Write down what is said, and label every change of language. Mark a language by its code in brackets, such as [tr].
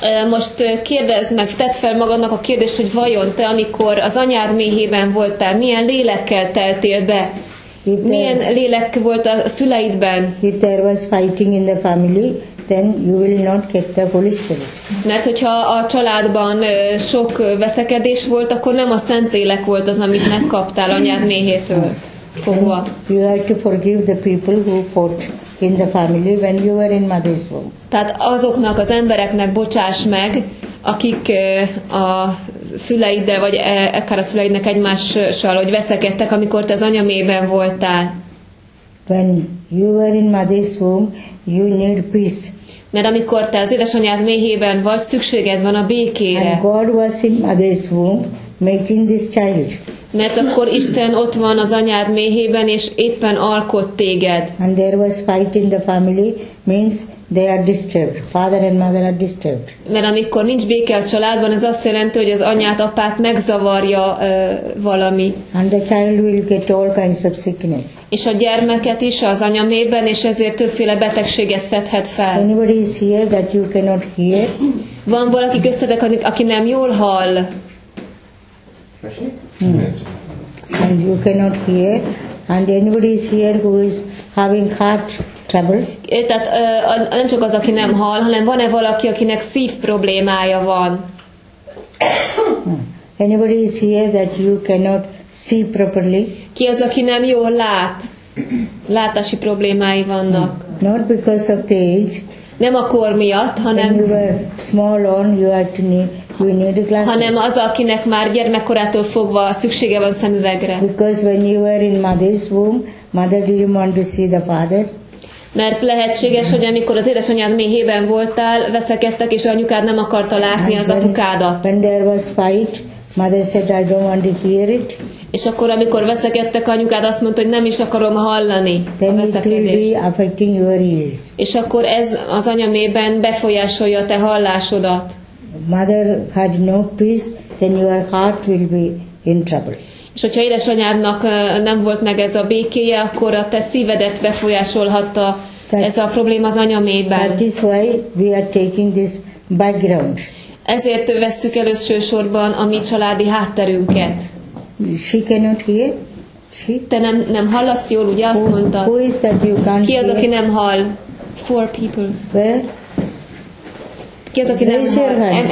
[hu] Most kérdezd meg, tedd fel magadnak a kérdést, hogy vajon te, amikor az anyád méhében voltál, milyen lélekkel teltél be? Milyen lélek volt a szüleidben? [en] If there was fighting in the family, then you will not get the Holy Spirit. [hu] Mert hogyha a családban sok veszekedés volt, akkor nem a Szentlélek volt az, amit megkaptál anyád méhétől. [en] You have to forgive the people who fought in the family when you were in mother's womb. [hu] Tehát azoknak az embereknek bocsáss meg, akik a szüleiddel, vagy akár a szüleidnek egymással, hogy veszekedtek, amikor te az anyamében voltál. [en] When you were in mother's womb, you need peace. [hu] Mert amikor te az édesanyád méhében vagy, szükséged van a békére. [en] And God was in mother's womb making this child. [hu] Mert akkor Isten ott van az anyád méhében, és éppen alkott téged. [en] And there was fight in the family, means they are disturbed. Father and mother are disturbed. [hu] Mert amikor nincs béke a családban, ez azt jelenti, hogy az anyát, apát megzavarja valami. [en] And the child will get all kinds of sickness. [hu] És a gyermeket is az anya méhében, és ezért többféle betegséget szedhet fel. [en] Anybody is here that you cannot hear? [hu] Van valaki köztetek, aki nem jól hall? [en] And you cannot hear. And anybody is here who is having heart trouble? [hu] Tehát nem csak az, aki nem hall, hanem van-e valaki, akinek szív problémája van? [en] Anybody is here that you cannot see properly? [hu] Ki az, aki nem jól lát? Látási problémái vannak. [en] Not because of the age. [hu] Nem a kor miatt, hanem [en] when you were small on, you had to need, you need glasses. [hu] Hanem az, akinek már gyermekkorától fogva szüksége van szemüvegre. [en] Because when you were in mother's womb, mother didn't want to see the father. [hu] Mert lehetséges, hogy amikor az édesanyád méhében voltál, veszekedtek, és anyukád nem akarta látni az apukádat. [en] When there was fight, mother said, I don't want to hear it. [hu] És akkor, amikor veszekedtek, anyukád azt mondta, hogy nem is akarom hallani [en] then [hu] a veszekedést. És akkor ez az anyamében befolyásolja a te hallásodat. [en] Mother had no peace, then your heart will be in trouble. [hu] És hogyha édesanyádnak nem volt meg ez a békéje, akkor a te szívedet befolyásolhatta [en] that, [hu] ez a probléma az anyamében. [en] That is why we are taking this background. [hu] Ezért vesszük elősősorban a mi családi hátterünket. [en] She cannot hear. She? [hu] Te nem hallasz jól, ugye azt mondta. [en] Who is that you can't [hu] ki az, aki [en] hear? [hu] Nem hall? [en] Four people. Where? [hu] Ki az, aki [en] raise [hu] nem hall? [en] Raise your hands.